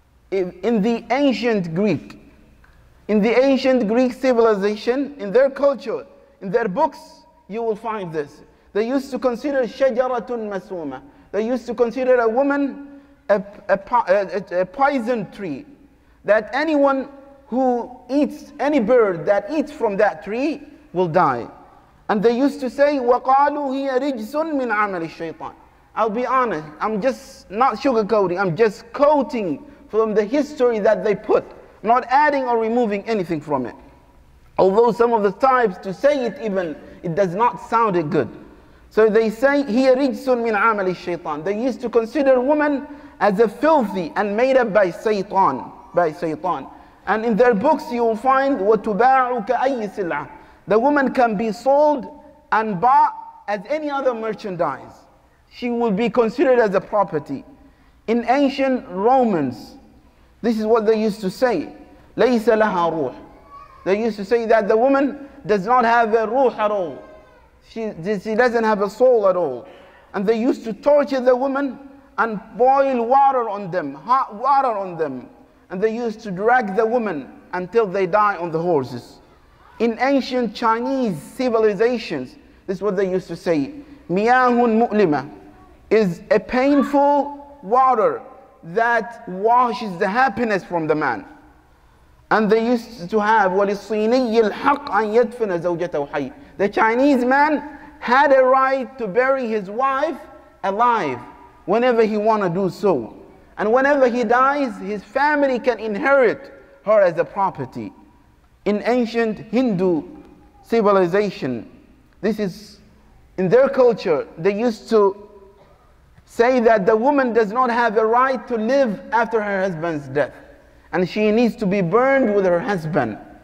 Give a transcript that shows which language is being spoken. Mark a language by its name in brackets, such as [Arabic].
[English] In the ancient Greek, in the ancient Greek civilization, in their culture, in their books, you will find this. They used to consider [Arabic] shajaratun masuma. [English] They used to consider a woman a poison tree, that anyone who eats, any bird that eats from that tree will die. And they used to say, [Arabic] وَقَالُوا هِيَ رِجْسٌ مِنْ عَمَلِ الشَّيْطَانِ. [English] I'll be honest, I'm just not sugarcoating, I'm just quoting from the history that they put, not adding or removing anything from it. Although some of the types to say it even, it does not sound good. So they say, [Arabic] هِيَ رِجْسٌ مِنْ عَمَلِ الشَّيْطَانِ. [English] They used to consider women as a filthy and made up by Satan. By Satan. And in their books you will find [Arabic] وَتُبَاعُ كَأَيِّ سِلْعَةٍ. [English] The woman can be sold and bought as any other merchandise. She will be considered as a property. In ancient Romans, this is what they used to say. [Arabic] لَيْسَ لَهَا رُوح. [English] They used to say that the woman does not have a ruh at all. She doesn't have a soul at all. And they used to torture the woman and boil water on them, hot water on them. And they used to drag the woman until they die on the horses. In ancient Chinese civilizations, this is what they used to say. [Arabic] Miyahun mu'lima [English] is a painful water that washes the happiness from the man. And they used to have [Arabic] وَلِصِّينِيِّ الْحَقْ أَنْ يَدْفِنَ زَوْجَتَهُ حَيِّ. [English] The Chinese man had a right to bury his wife alive whenever he wanted to do so. And whenever he dies, his family can inherit her as a property. In ancient Hindu civilization, this is in their culture, they used to say that the woman does not have a right to live after her husband's death, and she needs to be burned with her husband.